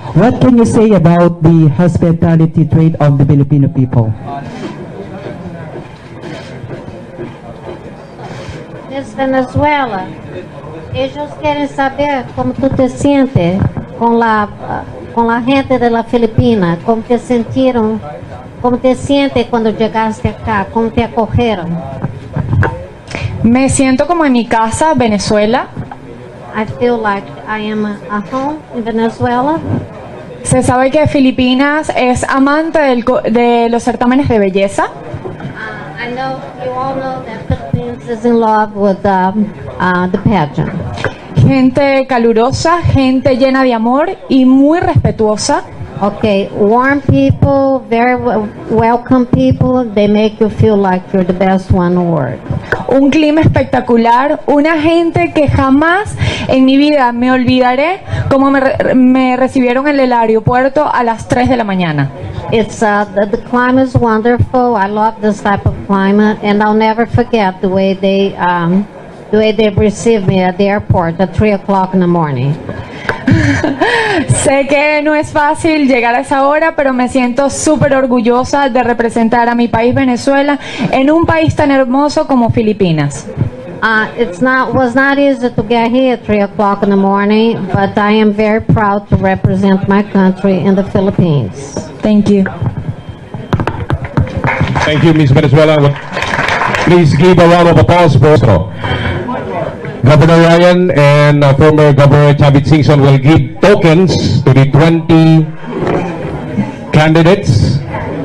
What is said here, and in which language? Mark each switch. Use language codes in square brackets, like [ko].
[en] What can you say about the hospitality trait of the Filipino people? Ms. [es] Venezuela, ellos quieren saber cómo tú te sientes con la gente de la Filipina, cómo te sintieron, cómo te sientes cuando llegaste acá, cómo te acogieron. Me siento como en mi casa, Venezuela. [en] I feel like I am a home in Venezuela. [es] Se sabe que Filipinas es amante de los certámenes de belleza. [en] I know you all know that Philippines is in love with the pageant. [es] Gente calurosa, gente llena de amor y muy respetuosa. [en] Okay, warm people, very welcome people, they make you feel like you're the best one to work. [es] Un clima espectacular, una gente que jamás en mi vida me olvidaré como me recibieron en el aeropuerto a las 3 de la mañana. [en] It's the climate is wonderful. I love this type of climate and I'll never forget the way they received me at the airport at 3 o'clock in the morning. [es] Sé que no es fácil llegar a esa hora, pero me siento súper orgullosa de representar a mi país Venezuela en un país tan hermoso como Filipinas. [en] It was not easy to get here at 3 o'clock in the morning, but I am very proud to represent my country in the Philippines. Thank you. Thank you, Ms. Venezuela. Please give a round of applause for Governor Ryan and former Governor Chavit Singson will give tokens to the 20 candidates.